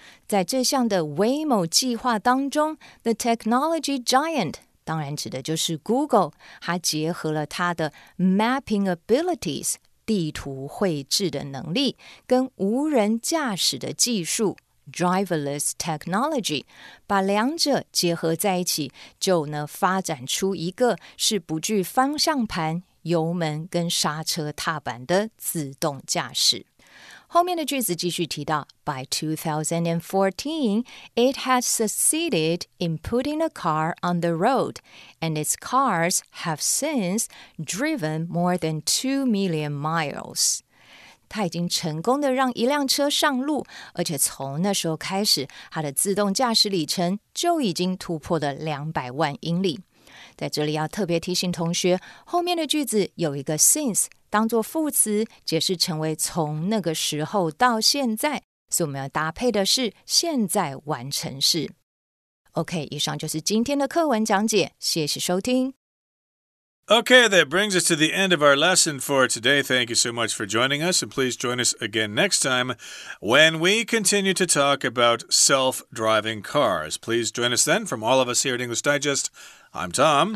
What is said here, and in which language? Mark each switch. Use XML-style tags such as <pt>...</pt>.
<zh>在这项的 Waymo 计划当中 ,</zh> <en>The Technology Giant,</en> <zh>当然指的就是 Google, 它结合了它的</zh> <en>Mapping Abilities,</en> <zh>地图绘制的能力跟无人驾驶的技术 ,</zh> <en>Driverless Technology,</en> <zh>把两者结合在一起就呢发展出一个是不具方向盘、油门跟刹车踏板的自动驾驶。后面的句子继续提到</zh> <en>By 2014, it had succeeded in putting a car on the road, and its cars have since driven more than 2 million miles.</en> <zh>它已经成功的让一辆车上路，而且从那时候开始，它的自动驾驶里程就已经突破了200万英里。在这里要特别提醒同学，后面的句子有一个 since,当作副词解释成为从那个时候到现在，所以我们要搭配的是现在完成式。 OK, 以上就是今天的课文讲解，谢谢收听。</zh> <en>OK, that brings us to the end of our lesson for today. Thank you so much for joining us, and please join us again next time when we continue to talk about self-driving cars. Please join us then. From all of us here at English Digest, I'm Tom.</en>